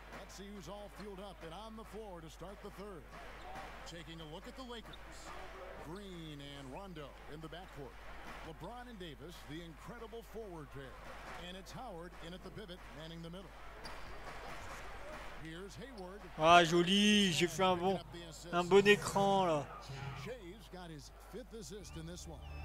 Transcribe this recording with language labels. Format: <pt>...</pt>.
<en>Let's see who's all fueled up and on the floor to start the third. Taking a look at the Lakers. Green and Rondo in the backcourt. LeBron and Davis, the incredible forward pair. And it's Howard in at the pivot, manning the middle. Here's Hayward.</en> <fr>Ah, joli, j'ai fait un bon écran là.</fr> <en>Shaves got his fifth assist in this one.</en>